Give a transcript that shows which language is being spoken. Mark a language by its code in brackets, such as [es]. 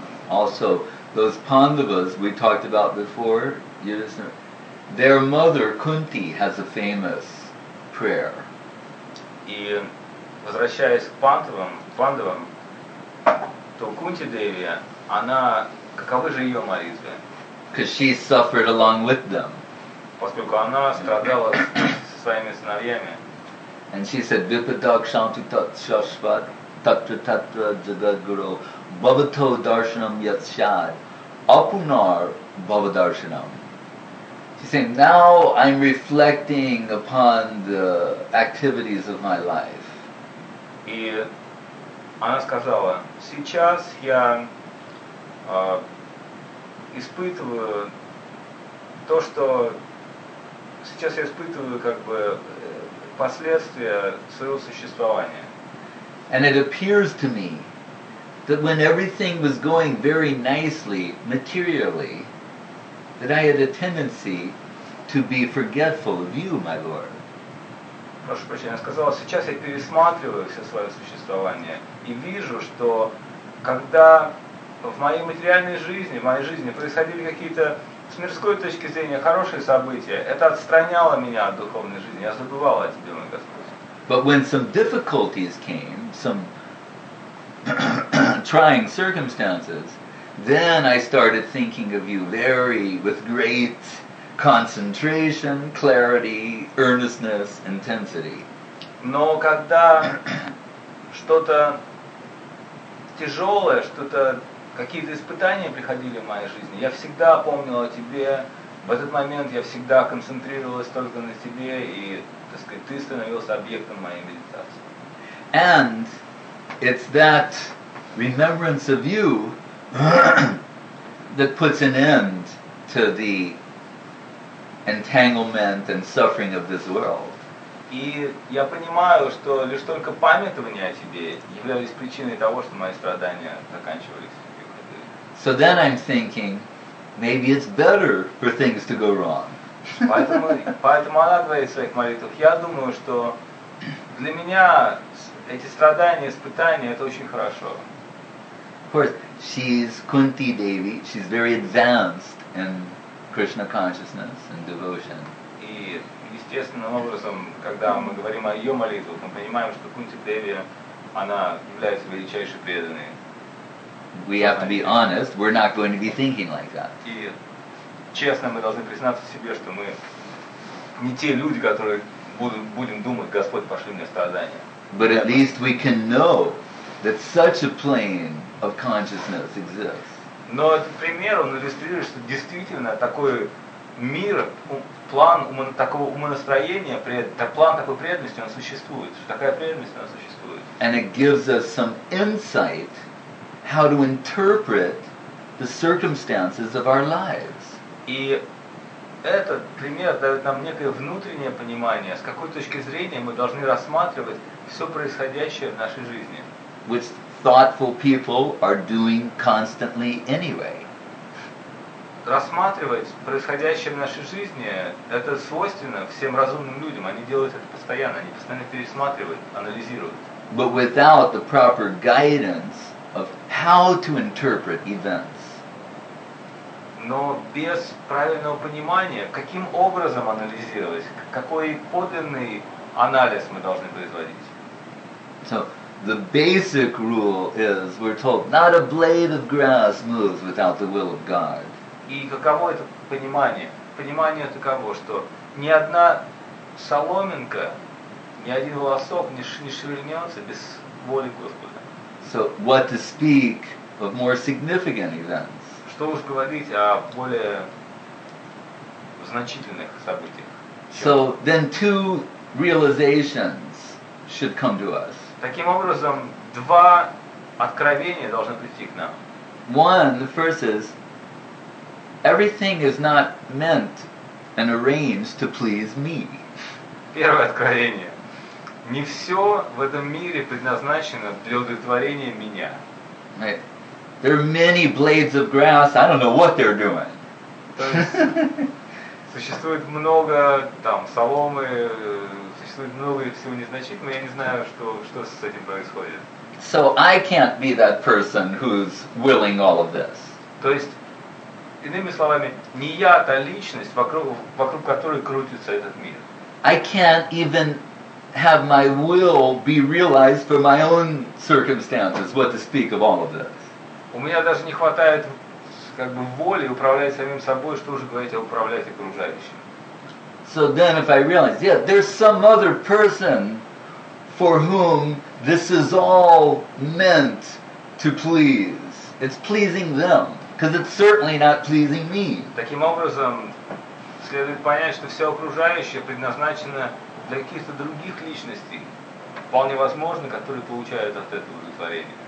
[en] Also, those Pandavas we talked about before, their mother Kunti has a famous prayer. [ru] И возвращаясь к Пандавам, то Кунти Деви, она, каковы же ее молитвы? [en] Because she suffered along with them. [ru] Поскольку она страдала со своими сыновьями. [en] And she said, [sa] Vipadak Shanti Tat Shashvat Tatra Tatra Jagadguru Bhavato Darshanam Yat Shad Apunar Bhavadarshanam. [en] She's saying, now I'm reflecting upon the activities of my life. [ru] И она сказала, сейчас я испытываю то, что сейчас я испытываю как бы последствия своего существования. [en] And it appears to me that when everything was going very nicely, materially, that I had a tendency to be forgetful of you, my Lord. [ru] Прошу прощения, я сказала, сейчас я пересматриваю все свое существование и вижу, что когда в моей материальной жизни, в моей жизни происходили какие-то с мирской точки зрения хорошие события, это отстраняло меня от духовной жизни. Я забывала о тебе, мой Господь. [en] But when some difficulties came, some trying circumstances, then I started thinking of you with great concentration, clarity, earnestness, intensity. [ru] Но когда что-то тяжелое, что-то какие-то испытания приходили в моей жизни, я всегда помнил о тебе. В этот момент я всегда концентрировалась только на тебе, и, так сказать, ты становился объектом моей медитации. [en] And it's that remembrance of you that puts an end to the entanglement and suffering of this world. [ru] И я понимаю, что лишь только памятование о тебе являлись причиной того, что мои страдания заканчивались. [en] So then I'm thinking, maybe it's better for things to go wrong. [ru] Поэтому она говорит в своих молитвах, я думаю, что для меня эти страдания, испытания, это очень хорошо. [en] Of course, she's Kunti Devi, she's very advanced in Krishna consciousness and devotion. [ru] И естественным образом, когда мы говорим о ее молитвах, мы понимаем, что Кунти Деви, она является величайшей преданной. [en] We have to be honest, we're not going to be thinking like that. [ru] И честно, мы должны признаться себе, что мы не те люди, которые будем думать, Господь, пошли мне страдания. [en] But at least we can know that such a plane of consciousness exists. [ru] Но этот пример, он иллюстрирует, что действительно такой мир, план такого умонастроения, план такой преданности, он существует. Такая преданность, она существует. [en] And it gives us some insight how to interpret the circumstances of our lives. [ru] И этот пример дает нам некое внутреннее понимание, с какой точки зрения мы должны рассматривать все происходящее в нашей жизни. [en] Which thoughtful people are doing constantly anyway. [ru] Рассматривать происходящее в нашей жизни, это свойственно всем разумным людям. Они делают это постоянно, они постоянно пересматривают, анализируют. [en] But without the proper guidance of how to interpret events. [ru] Но без правильного понимания, каким образом анализировать, какой подлинный анализ мы должны производить. [en] So, the basic rule is, we're told, not a blade of grass moves without the will of God. [ru] И каково это понимание? Понимание таково, что ни одна соломинка, ни один волосок не шевельнется без воли Господа. [en] So, what to speak of more significant events? [ru] Что уж говорить о более значительных событиях. [en] So then two realizations should come to us. [ru] Таким образом, два откровения должны прийти к нам. [en] One, the first is, everything is not meant and arranged to please me. [ru] Первое откровение. Не все в этом мире предназначено для удовлетворения меня. [en] Right. There are many blades of grass. I don't know what they're doing. [ru] Существует много там соломы, существует много всего незначительного. Я не знаю, что с этим происходит. [en] So I can't be that person who's willing all of this. [ru] То есть, иными словами, не я та личность, вокруг которой крутится этот мир. [en] I can't even have my will be realized for my own circumstances, what to speak of all of this. [ru] У меня даже не хватает как бы воли управлять самим собой, что уже говорить о управлять окружающим. [en] So then if I realize, yeah, there's some other person for whom this is all meant to please. It's pleasing them, because it's certainly not pleasing me. [ru] Таким образом, следует понять, что все окружающее предназначено для каких-то других личностей, вполне возможно, которые получают от этого удовлетворение.